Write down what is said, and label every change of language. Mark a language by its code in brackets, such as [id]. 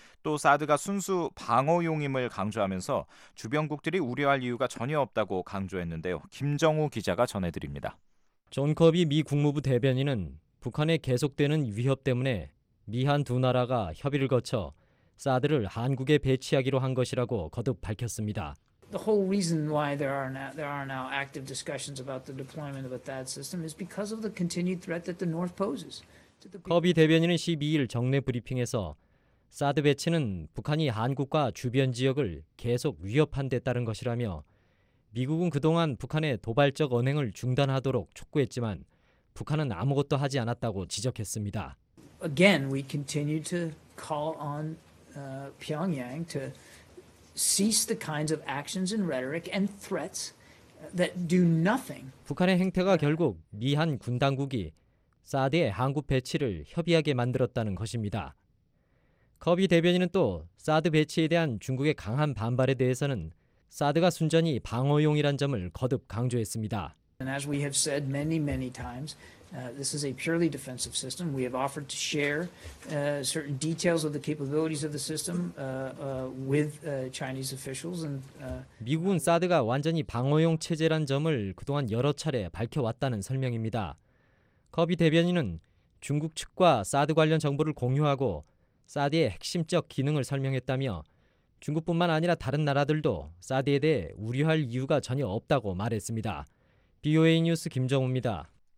[ko] 또 사드가 순수 방어용임을 강조하면서 주변국들이 우려할 이유가 전혀 없다고 강조했는데요. 김정우 기자가 전해드립니다. 존 커비 미 국무부 대변인은 북한의 계속되는 위협 때문에 미한 두 나라가 협의를 거쳐 사드를 한국에 배치하기로 한 것이라고 거듭 밝혔습니다. [en] The whole reason why there are now active discussions about the deployment of a THAAD system is because of the continued threat that the North poses. [ko] 커비 대변인은 12일 정례 브리핑에서 사드 배치는 북한이 한국과 주변 지역을 계속 위협한 데 따른 것이라며 미국은 그동안 북한의 도발적 언행을 중단하도록 촉구했지만 북한은 아무것도 하지 않았다고 지적했습니다. [en] Again, we continue to call on Pyongyang to cease the kinds of actions and rhetoric and threats that do nothing. [ko] 북한의 행태가 결국 미한 군 당국이 사드의 한국 배치를 협의하게 만들었다는 것입니다. 커비 대변인은 또 사드 배치에 대한 중국의 강한 반발에 대해서는 사드가 순전히 방어용이란 점을 거듭 강조했습니다. [en] And as we have said many times, this is a purely defensive system. We have offered to share certain details of the capabilities of the system with Chinese officials. And [ko] 미국은 사드가 완전히 방어용 체제란 점을 그동안 여러 차례 밝혀왔다는 설명입니다. 커비 대변인은 중국 측과 사드 관련 정보를 공유하고 사드의 핵심적 기능을 설명했다며 중국뿐만 아니라 다른 나라들도 사드에 대해 우려할 이유가 전혀 없다고 말했습니다. BOA 뉴스 김정우입니다.